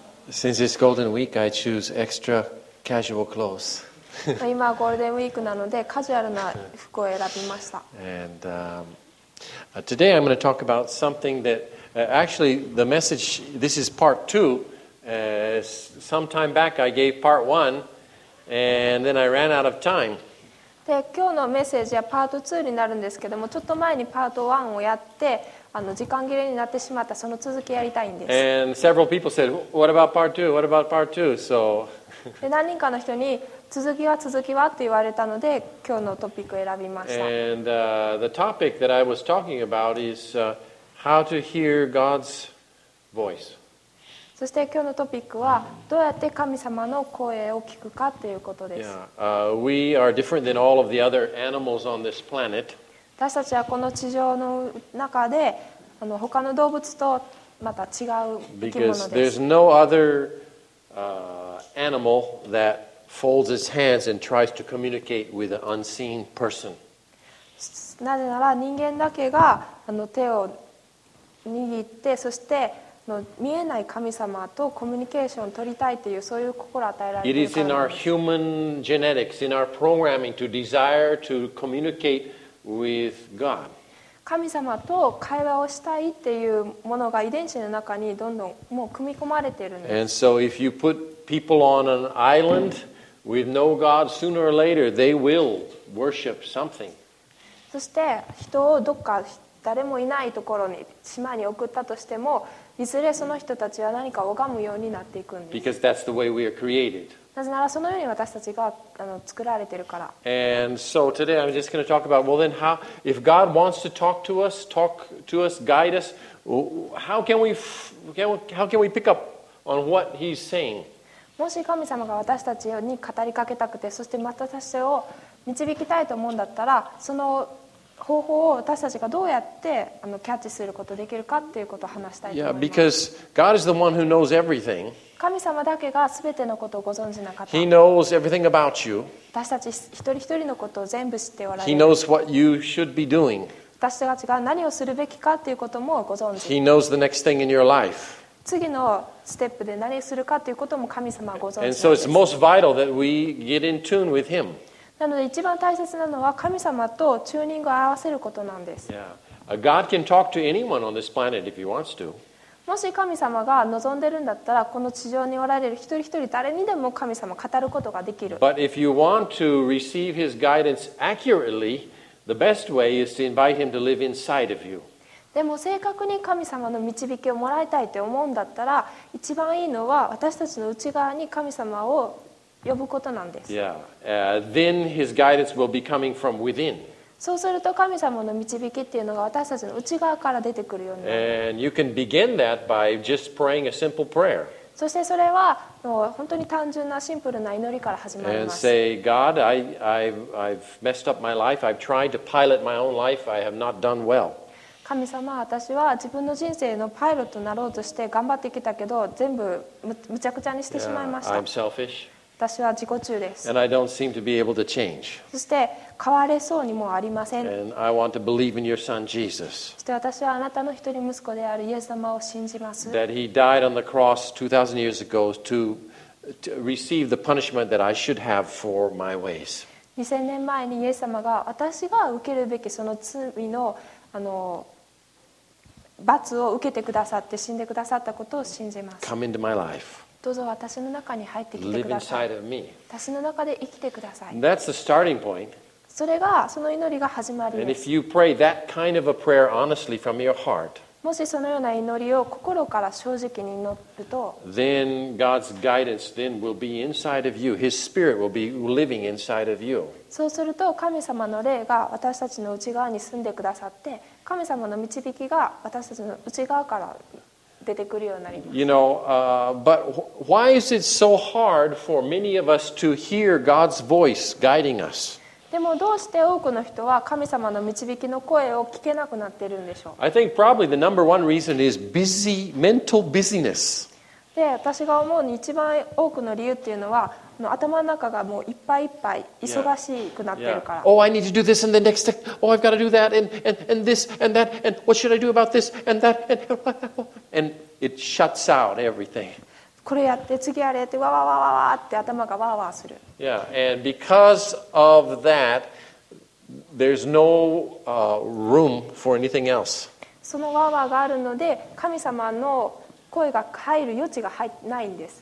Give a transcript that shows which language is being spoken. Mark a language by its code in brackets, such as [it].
[en] Since it's Golden Week, I choose extra casual clothes. [ja] 今はゴールデンウィークなのでカジュアルな服を選びました。 [en] And today I'm going to talk about something that actually the message. This is part two. Some time back I gave part one, and then I ran out of time. [ja] で今日のメッセージはパート2になるんですけども、ちょっと前にパート1をやって、あの時間切れになってしまった、その続きやりたいんです。 [en] And several people said, what about part 2? What about part 2? So... [ja] で何人かの人に続きはって言われたので、今日のトピックを選びました。 [en] And the topic that I was talking about is how to hear God's voice. [ja] そして今日のトピックは、どうやって神様の声を聞くかということです。 [en] Yeah. We are different than all of the other animals on this planet. [ja] 私たちはこの地上の中で、あの他の動物とまた違う生き物です。 [en] Because there's no other animal that folds its hands and tries to communicate with an unseen person. [ja] なぜなら人間だけがあの手を握って、そして見えない神様とコミュニケーションを取りたいという、そういう心を与えられるからです。 [en] It is in our human genetics, in our programming to desire to communicate with God. [ja] 神様と会話をしたいっていうものが遺伝子の中にどんどんもう組み込まれているんです。 [en] And so if you put people on an island with no God, sooner or later they will worship something. [ja] そして人をどっか誰もいないところに、島に送ったとしても、いずれその人たちは何かを拝むようになっていくんです。 [en] Because that's the way we are created. [ja] なぜならそのように私たちが作られているから。 [en] And so today I'm just going to talk about, well then how, if God wants to talk to us, guide us, how can we pick up on what he's saying? [ja] もし神様が私たちに語りかけたくて、そしてまた私たちを導きたいと思うんだったら、その方法を私たちがどうやってキャッチすることができるかということを話したいと思います。 [en] Yeah, because God is the one who knows everything. [ja] 神様だけが全てのことをご存知な方。 [en] He knows everything about you. [ja] 私たち一人一人のことを全部知っておられる。 [en] He knows what you should be doing. [ja] 私たちが何をするべきかということもご存知。 [en] He knows the next thing in your life. [ja] 次のステップで何をするかということも神様はご存知。 [en] And so it's most vital that we get in tune with Him. [ja] なので一番大切なのは神様とチューニングを合わせることなんです。 [en] Yeah. God can talk to anyone on this planet if he wants to. [ja] もし神様が望んでるんだったら、この地上におられる一人一人誰にでも神様語ることができる。 [en] But if you want to receive his guidance accurately, the best way is to invite him to live inside of you. [ja] でも正確に神様の導きをもらいたいと思うんだったら、一番いいのは私たちの内側に神様を呼ぶことなんです。 [en] Yeah. Then his guidance will be coming from within. [ja] そうすると神様の導きっていうのが私たちの内側から出てくるようになる。 [en] And you can begin that by just praying a simple prayer. [ja] そしてそれは本当に単純なシンプルな祈りから始まります。 [en] And say, God, I've messed up my life. I've tried to pilot my own life. I have not done well. [ja] 神様、私は自分の人生のパイロットになろうとして頑張ってきたけど、全部むちゃくちゃにしてしまいました。 [en] Yeah, I'm selfish. [ja] 私は自己中です。 [en] And I don't seem to be able to change. [ja] そして変われそうにもありません。 [en] And I want to believe in your son, Jesus. [ja] そして私はあなたの一人息子であるイエス様を信じます。 [en] That he died on the cross 2,000 years ago to receive the punishment that I should have for my ways. [ja] 2,000 年前にイエス様が私が受けるべきその罪の罰を受けてくださって死んでくださったことを信じます。 [en] Come into my life. [ja] どうぞ私の中に入ってきてください。私の中で生きてください。 [en] That's the starting point. [ja] それがその祈りが始まりです。 [en] And if you pray that kind of a prayer honestly from your heart, [ja] もしそのような祈りを心から正直に祈ると、 [en] then God's guidance then will be inside of you. His spirit will be living inside of you. [ja] そうすると神様の霊が私たちの内側に住んでくださって、神様の導きが私たちの内側から。 [en] You know, but why is it so hard for many of us to hear God's voice guiding us? [ja] でもどうして多くの人は神様の導きの声を聞けなくなっているんでしょう? [en] I think probably the number one reason is busy, mental busyness. [ja] で、私が思うに一番多くの理由っていうのは、頭の中がもういっぱいいっぱい忙しくなってるから。 [en] Yeah. Yeah. Oh, I need to do this and the next thing. Oh, I've got to do that and this and that and what should I do about this and that and it shuts out everything. [ja] これやって次あれやってわわわわわって頭がわわする。 [en] Yeah, and because of that, there's no room for anything else. [ja] そのわわがあるので神様の声が入る余地がないんです。